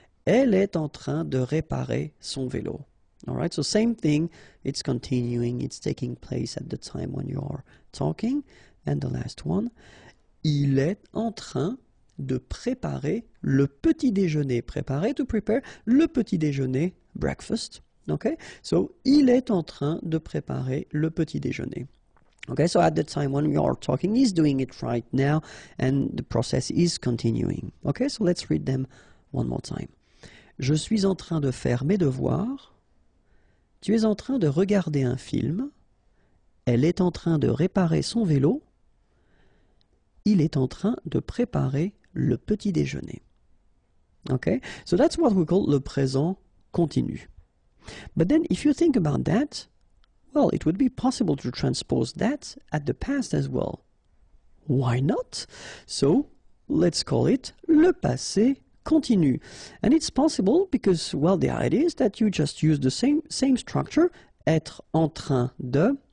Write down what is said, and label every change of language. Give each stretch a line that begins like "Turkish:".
French: Elle est en train de réparer son vélo.
English: Alright, so same thing, it's continuing, it's taking place at the time when you are talking. And the last one,
French: il est en train de préparer le petit déjeuner.
English: Préparer, to prepare,
French: le petit déjeuner,
English: breakfast. Okay?
French: So, il est en train de préparer le petit déjeuner.
English: Okay, so at the time when we are talking, he's doing it right now, and the process is continuing. Okay, so let's read them one more time.
French: Je suis en train de faire mes devoirs. Tu es en train de regarder un film. Elle est en train de réparer son vélo. Il est en train de préparer le petit déjeuner.
English: Okay, so that's what we call
French: le présent continu.
English: But then, if you think about that, well, it would be possible to transpose that at the past as well. Why not? So, let's call it
French: le passé continu.
English: And it's possible because, well, the idea is that you just use the same structure,
French: être en train de.